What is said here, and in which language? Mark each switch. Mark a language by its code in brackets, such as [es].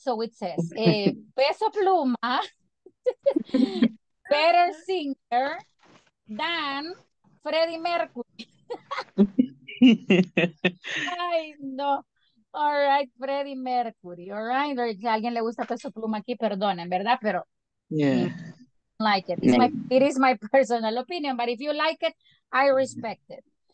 [en] So it says, Peso Pluma, better singer than Freddie Mercury. Ay, no. All right, Freddie Mercury. All right, or [es] si a alguien le gusta Peso Pluma aquí, perdonen, ¿verdad? Pero, [en] yeah. Like it. It is my personal opinion, but if you like it, I respect it.